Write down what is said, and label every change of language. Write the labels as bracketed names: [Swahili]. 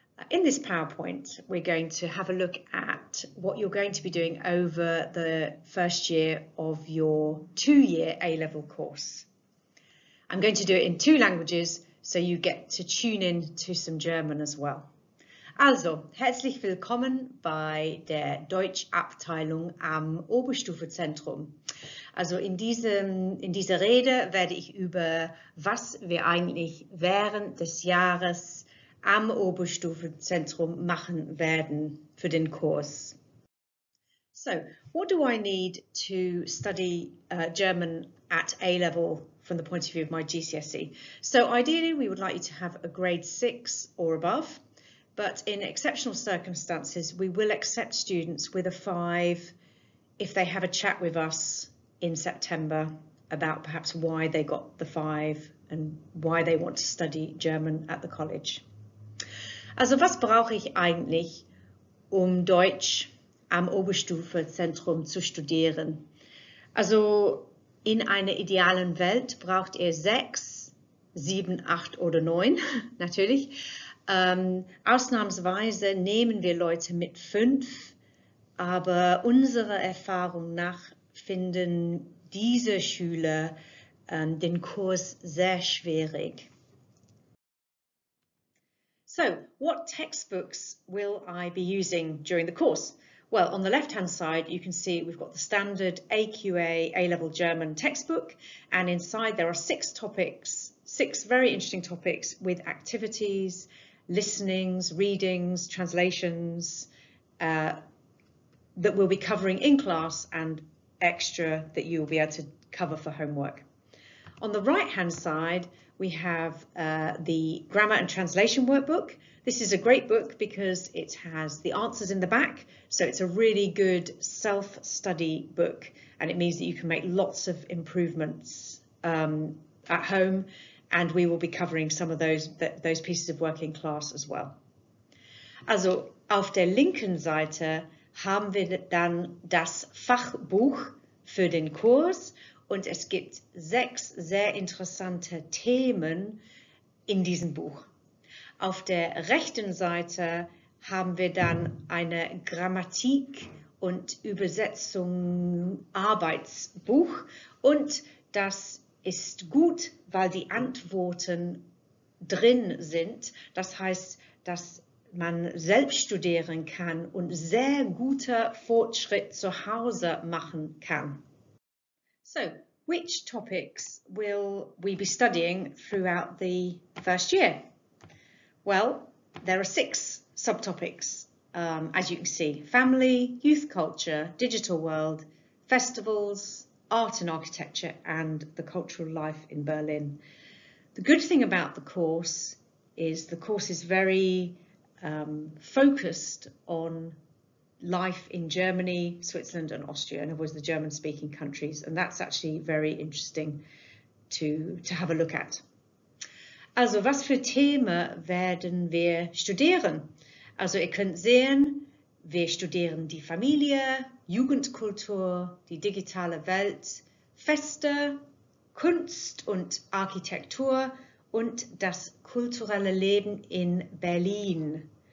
[English] In this PowerPoint, we're going to have a look at what you're going to be doing over the first year of your two-year A-Level course. I'm going to do it in two languages, so you get to tune in to some German as well. [German] Also, herzlich willkommen bei der Deutschabteilung am Oberstufenzentrum. Also in dieser Rede werde ich über was wir eigentlich während des Jahres am Oberstufenzentrum machen werden für den Kurs. [English] So, what do I need to study German at A level from the point of view of my GCSE? So ideally we would like you to have a grade 6 or above. But in exceptional circumstances, we will accept students with a 5 if they have a chat with us in September about perhaps why they got the 5 and why they want to study German at the college. [German] Also, was brauche ich eigentlich, um Deutsch am Oberstufenzentrum zu studieren? Also, in einer idealen Welt braucht ihr 6, 7, 8 oder 9, natürlich. Ausnahmsweise nehmen wir Leute mit 5, aber unserer Erfahrung nach finden diese Schüler den Kurs sehr schwierig. [English] So, what textbooks will I be using during the course? Well, on the left-hand side, you can see we've got the standard AQA A-Level German textbook, and inside there are 6 topics, 6 very interesting topics with activities, listenings, readings, translations that we'll be covering in class and extra that you'll be able to cover for homework. On the right hand side, we have the grammar and translation workbook. This is a great book because it has the answers in the back. So it's a really good self-study book, and it means that you can make lots of improvements at home. And we will be covering some of those pieces of work in class as well. [German] Also, auf der linken Seite haben wir dann das Fachbuch für den Kurs, und es gibt 6 sehr interessante Themen in diesem Buch. Auf der rechten Seite haben wir dann eine Grammatik- und Übersetzung-Arbeitsbuch, und das ist gut, weil die Antworten drin sind. Das heißt, dass man selbst studieren kann und sehr guter Fortschritt zu Hause machen kann. [English] So, which topics will we be studying throughout the first year? Well, there are 6 subtopics, as you can see. Family, youth culture, digital world, festivals, art and architecture, and the cultural life in Berlin. The good thing about the course is the course is very focused on life in Germany, Switzerland and Austria, and of course the German speaking countries, and that's actually very interesting to have a look at. [German] Also, was für Themen werden wir studieren? Also, ihr könnt sehen, wir studieren die Familie, Jugendkultur, die digitale Welt, Feste, Kunst und Architektur und das kulturelle Leben in Berlin.